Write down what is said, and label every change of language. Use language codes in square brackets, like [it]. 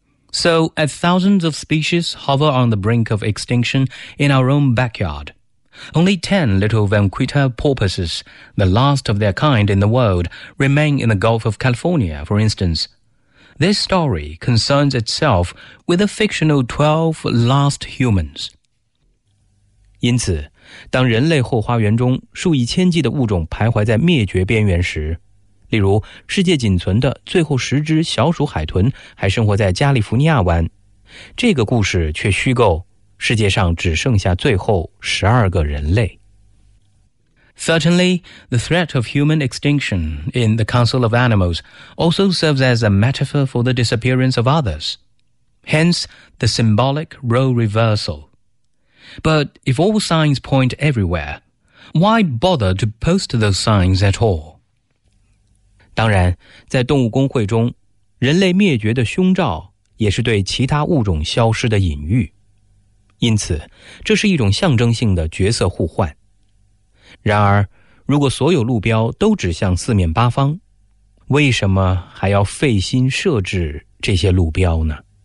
[en] So, as thousands of species hover on the brink of extinction in our own backyard, only 10 little vanquita porpoises, the last of their kind in the world, remain in the Gulf of California, for instance. This story concerns itself with the fictional 12 last humans. [zh] 因此，当人类后花园中数以千计的物种徘徊在灭绝边缘时，例如世界仅存的最后十只小鼠海豚还生活在加利福尼亚湾，这个故事却虚构世界上只剩下最后12个人类。 [en] Certainly, the threat of human extinction in the Council of Animals also serves as a metaphor for the disappearance of others. Hence, the symbolic role reversal. But if all signs point everywhere, why bother to post those signs at all? [zh] 当然，在动物公会中，人类灭绝的凶兆也是对其他物种消失的隐喻，因此这是一种象征性的角色互换。然而，如果所有路标都指向四面八方，为什么还要费心设置这些路标呢？